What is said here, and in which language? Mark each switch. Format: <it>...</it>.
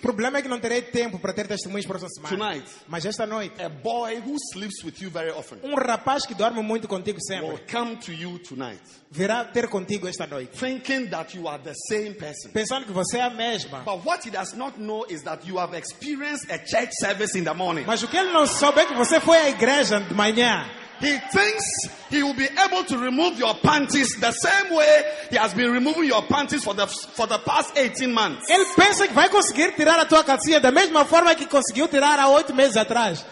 <pt>Problema é que não terei tempo para ter testemunhos para essa semana.</pt> <en>Tonight,</en> <pt>mas esta noite,</pt> <en>a boy who sleeps with you very often,</en> <pt>rapaz que dorme muito contigo sempre,</pt> <en>will come to you tonight.</en> <pt>Virá ter contigo esta noite,</pt> <en>thinking that you are the same person.</en> <pt>Pensando que você é a mesma.</pt> <en>But what he does not know is that you have experienced a church service in the morning.</en> <pt>Mas o que ele não sabe é que você foi à igreja de manhã.</pt> <en>He thinks he will be able to remove your panties the same way he has been removing your panties for the past 18 months.</en> <pt>Ele pensa que vai conseguir tirar a tua calcinha da mesma forma que conseguiu tirar há 8 meses atrás.</pt>